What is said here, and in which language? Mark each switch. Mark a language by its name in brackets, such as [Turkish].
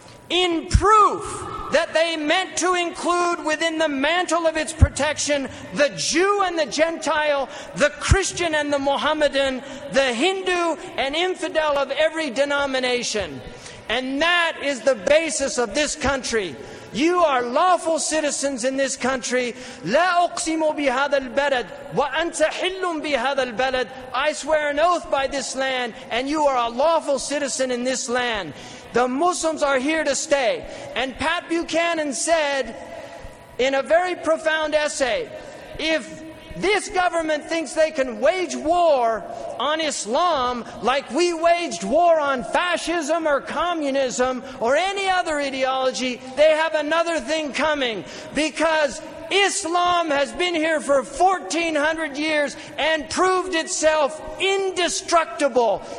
[English] In proof that they meant to include within the mantle of its protection the Jew and the Gentile, the Christian and the Mohammedan, the Hindu and infidel of every denomination. And that is the basis of this country. You are lawful citizens in this country. [Arabic] لا أقسم بهذا البلد وأنت حل بهذا البلد. [English] I swear an oath by this land, and you are a lawful citizen in this land. The Muslims are here to stay. And Pat Buchanan said in a very profound essay, if this government thinks they can wage war on Islam like we waged war on fascism or communism or any other ideology, they have another thing coming, because Islam has been here for 1,400 years and proved itself indestructible.